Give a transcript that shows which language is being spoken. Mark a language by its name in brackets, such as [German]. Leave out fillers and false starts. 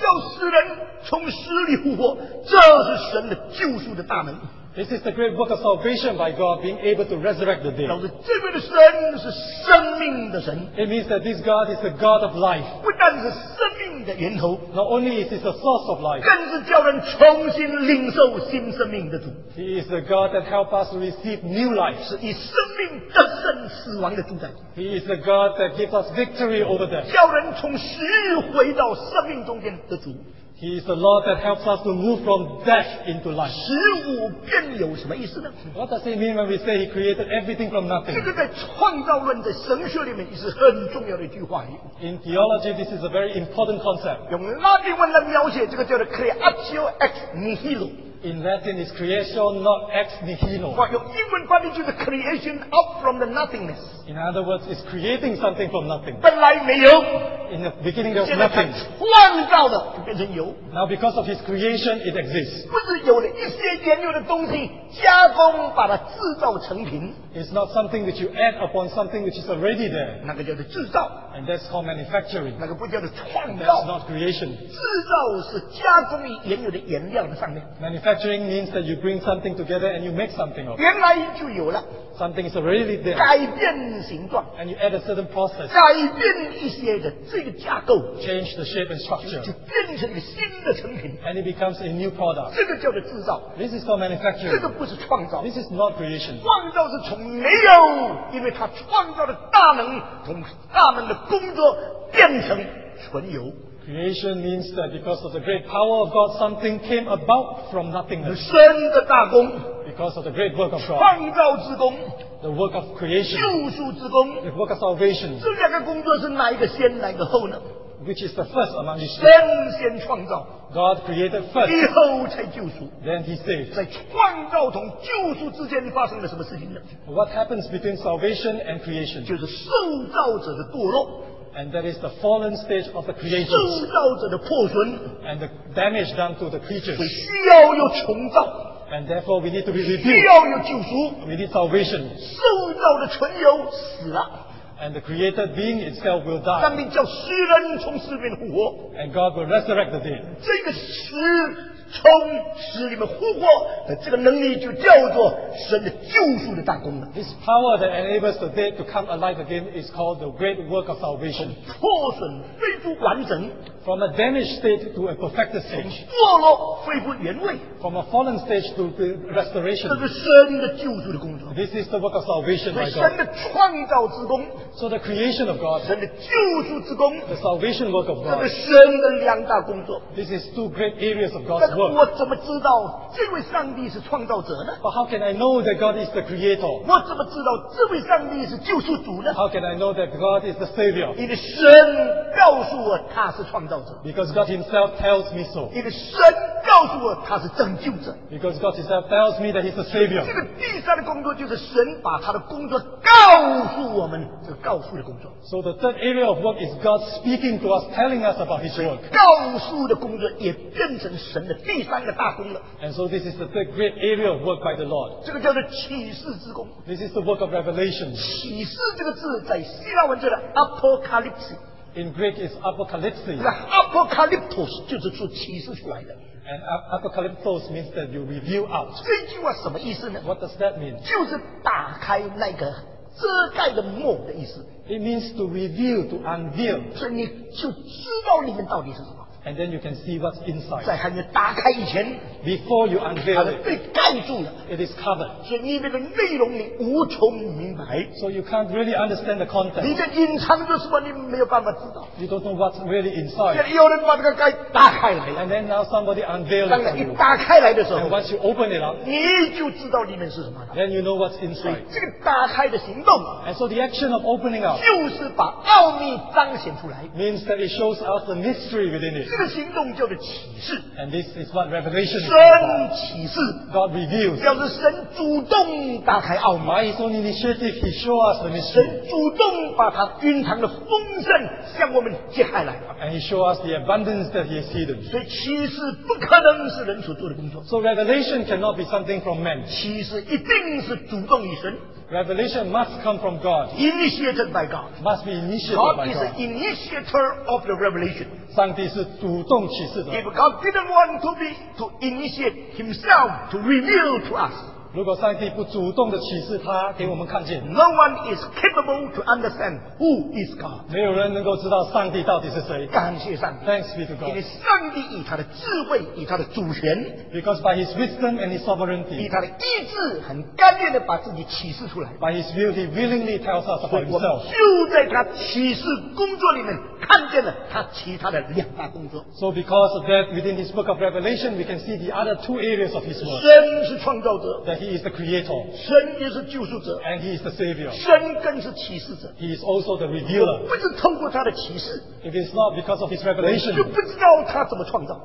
[Chinese] 叫世人从死里复活，这是神的救赎的大门。 [English] This is the great work of salvation by God, being able to resurrect the dead. [Chinese] 表示这位的神是生命的神。 [English] It means that this God is the God of life. [Chinese] 不但是生命，的源头。 [English] Not only is it the source of life， [Chinese] 更是叫人重新领受新生命的主。 [English] He is the God that help us receive new life， [Chinese] 是以生命战胜死亡的主宰。 [English] He is the God that gives us victory over death， [Chinese] 叫人从死回到生命中间的主。 [English] He is the Lord that helps us to move from death into life。 [Chinese] 十五变有什么意思呢 [English] ？What does it mean when we say He created everything from nothing？ [Chinese] 这个在创造论的神学里面也是很重要的一句话语。 [English] In theology, this is a very important concept。 [Chinese] 用拉丁文来描写，这个叫做 [Latin] creatio ex nihilo。 [English] In Latin, it's creation, not ex nihilo。 [Chinese] 用英文翻译就是 [English] creation out from the nothingness。 In other words, it's creating something from nothing。 [Chinese] 本来没有。 [English] In the beginning, there was nothing。 [Chinese] 创造的就变成有。 [English] Now, because of his creation, it exists。 [Chinese] 不是有了一些原有的东西，加工把它制造成品。 [English] It's not something that you add upon something which is already there。 [Chinese] 那个叫做制造。 [English] And that's called manufacturing。 [Chinese] 那个不叫做创造。 [English] That's not creation。 [Chinese] 制造是加工于原有的原料的上面。 [English] Manufacturing means that you bring something together and you make something of it. [Chinese] 原来就有了。 [English] Something is already there. [Chinese] 改变形状。 [English] And you add a certain process. [Chinese] 改变一些的这个架构。 [English] Change the shape and structure. [Chinese] 就变成一个新的成品。 [English] And it becomes a new product. [Chinese] 这个叫做制造。 [English] This is called manufacturing. [Chinese] 这个不是创造。 [English] This is not creation. [Chinese] 创造是从没有，因为它创造的大能，从大能的工作变成存有。 [English] Creation means that because of the great power of God, something came about from nothingness. [Chinese] 神的大工。 [English] Because of the great work of God. [Chinese] 创造之工。 [English] The work of creation. [Chinese] 救赎之工。 [English] The work of salvation. [Chinese] 这两个工作是哪一个先，哪一个后呢？ [English] Which is the first among these? [Chinese] 神先创造。 [English] God created first. [Chinese] 以后才救赎。 [English] Then he saved. [Chinese] 在创造同救赎之间发生了什么事情呢？ [English] What happens between salvation and creation? [Chinese] 就是受造者的堕落。 [English] And that is the fallen stage of the creation. [Chinese] 受造者的破损。 [English] And the damage done to the creatures. [Chinese] 所以需要有重造。 [English] And therefore we need to be rebuilt. [Chinese] 需要有救赎。 [English] We need salvation. [Chinese] 受造的存有死了。 [English] And the created being itself will die. [Chinese] 上帝叫死人从死里面复活。 [English] And God will resurrect the dead. [Chinese] 这个死从死里面复活的这个能力就叫做神的救赎的大功了。 [English] This power that enables the dead to come alive again is called the great work of salvation. [Chinese] 从破损恢复完整。 [English] From a damaged state to a perfected state. [Chinese] 从堕落恢复原位。 [English] From a fallen stage to the restoration. [Chinese] 这是神的救赎的工作。 [English] This is the work of salvation by God. [Chinese] 神的创造之功。 [English] So the creation of God. [Chinese] 神的救赎之功。 [English] The salvation work of God. [Chinese] 这是神的两大工作。 [English] This is two great areas of God's work. [Chinese] 我怎么知道这位上帝是创造者呢？ [English] But how can I know that God is the creator? [Chinese] 我怎么知道这位上帝是救赎主呢？ [English] How can I know that God is the savior? [Chinese] 因为神告诉我他是创造者。 [English] Because God himself tells me so. [Chinese] 因为神告诉我他是拯救者。 [English] Because God himself tells me that he's the savior. [Chinese] 这个第三的工作就是神把他的工作告诉我们，这个告诉的工作。 [English] So the third area of work is God speaking to us, telling us about his work. [Chinese] 告诉的工作也变成神的第三个大功了。 [English] And so this is the third great area of work by the Lord. [Chinese] 这个叫做启示之功。 [English] This is the work of revelation. [Chinese] 启示这个字在希腊文叫做 apocalypse. [English] In Greek it's apocalypse. [Chinese] Apocalyptos 就是做启示出来的。 [English] And apocalypse means that you reveal out. [Chinese] 这句话什么意思呢？ [English] What does that mean? [Chinese] 就是打开那个遮盖的幕的意思。 [English] It means to reveal, to unveil. [Chinese] 所以你就知道里面到底是什么。 [English] And then you can see what's inside. [Chinese] 在还没打开以前， [English] before you unveil it, [Chinese] 它被盖住了。 [English] It is covered. [Chinese] 所以里面的内容你无从明白。 [English] So you can't really understand the content. [Chinese] 你在隐藏着什么，你没有办法知道。 [English] You don't know what's really inside. [Chinese] 现在有人把这个盖打开来。 [English] And then now somebody unveils it. [Chinese] 当一打开来的时候， [English] and once you open it up, [Chinese] 你就知道里面是什么了。 [English] Then you know what's inside. [Chinese] 这个打开的行动， [English] and so the action of opening up, [Chinese] 就是把奥秘彰显出来。 [English] Means that it shows us the mystery within it. [Chinese] 这个行动叫做启示。 [English] And this is what revelation is. [Chinese] 神启示。 [English] God reveals. [Chinese] 表示神主动打开奥秘。 [English] By his own initiative, he show us the mystery. [Chinese] 神主动把他蕴藏的丰盛向我们揭开来。 [English] And he show us the abundance that he has hidden. [Chinese] 所以启示不可能是人所做的工作。 [English] So revelation cannot be something from man. [Chinese] 启示一定是主动于神。 [English] Revelation must come from God. Initiated by God. Must be initiated by God. God is the initiator of the revelation. [Chinese] 上帝是主动启示的。 [English] If God didn't want to initiate himself to reveal to us. [Chinese] 如果上帝不主动的启示他给我们看见 [English] ，No one is capable to understand who is God。 [Chinese] 没有人能够知道上帝到底是谁。感谢上帝 [English] ，Thanks be to God。 [Chinese] 因为上帝以他的智慧，以他的主权 [English] ，Because by His wisdom and His sovereignty， [Chinese] 以他的意志很甘愿的把自己启示出来。 [English] By His will, He willingly tells us about Himself。 [Chinese] 所以我们就在他启示工作里面看见了他其他的两大工作。 [English] So because of that, within this book of Revelation, we can see the other two areas of His work。 [Chinese] 神是创造者。 [English] That He is the Creator. [Chinese] 神也是救赎者。 [English] And He is the Savior. [Chinese] 神更是启示者。 [English] He is also the Revealer. [Chinese] 不是通过他的启示。 [English] If it's not because of His revelation, [Chinese] 就不知道他怎么创造。